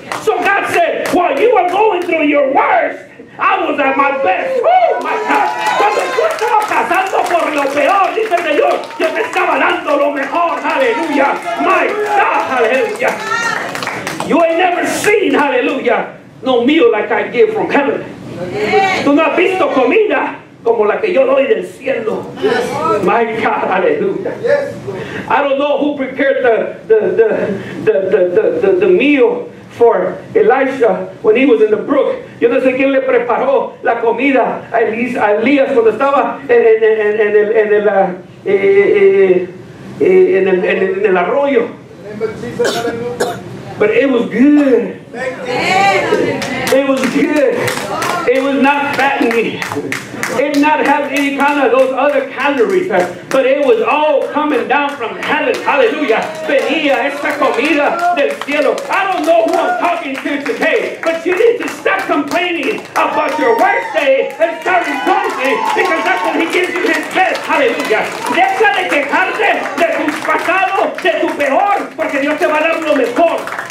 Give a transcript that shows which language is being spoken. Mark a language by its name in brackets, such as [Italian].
[English] So God said, while you were going through your worst, I was at my best. Oh my God. [Spanish] Cuando tú estabas pasando por lo peor, dice el Señor, yo te estaba dando lo mejor. [English] Hallelujah. My God. Hallelujah. You ain't never seen, hallelujah, no meal like I give from heaven. [Spanish] Tú no has visto comida como la que yo doy del cielo. [English] My God. Hallelujah. I don't know who prepared the meal for Elisha when he was in the brook. [Spanish] Yo no sé quién le preparó la comida a Elías cuando estaba en el arroyo. [English] But it was good. It was good. It was not fattening. It did not have any kind of those other calories. But it was all coming down from heaven. Hallelujah. [Spanish] Venía esta comida del cielo. [English] I don't know who I'm talking to today, but you need to stop complaining about your worst day and start rejoicing, because that's when he gives you his best. Hallelujah. [Spanish] Deja de quejarte de tu pasado, de tu peor, porque Dios te va a dar lo mejor.